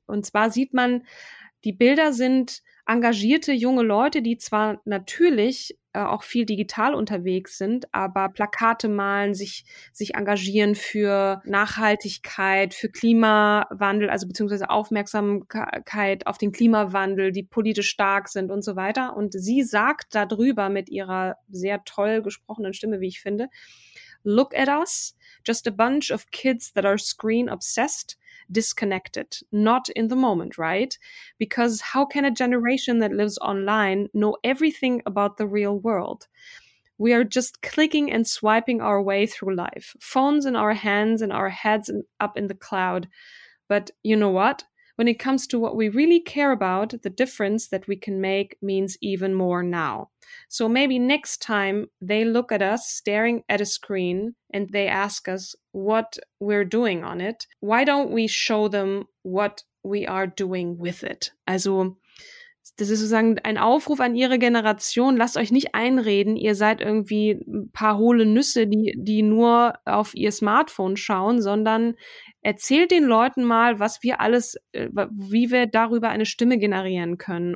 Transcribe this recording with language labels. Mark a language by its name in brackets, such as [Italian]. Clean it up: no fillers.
[German] Und zwar sieht man, die Bilder sind engagierte junge Leute, die zwar natürlich auch viel digital unterwegs sind, aber Plakate malen, sich engagieren für Nachhaltigkeit, für Klimawandel, also beziehungsweise Aufmerksamkeit auf den Klimawandel, die politisch stark sind und so weiter. Und sie sagt darüber mit ihrer sehr toll gesprochenen Stimme, wie ich finde, [English] "Look at us, just a bunch of kids that are screen obsessed. Disconnected, not in the moment, right? Because how can a generation that lives online know everything about the real world? We are just clicking and swiping our way through life, phones in our hands and our heads up in the cloud. But you know what? When it comes to what we really care about, the difference that we can make means even more now. So maybe next time they look at us staring at a screen and they ask us what we're doing on it, why don't we show them what we are doing with it?" [German] Also, das ist sozusagen ein Aufruf an ihre Generation, lasst euch nicht einreden, ihr seid irgendwie ein paar hohle Nüsse, die nur auf ihr Smartphone schauen, sondern erzählt den Leuten mal, was wir alles, wie wir darüber eine Stimme generieren können.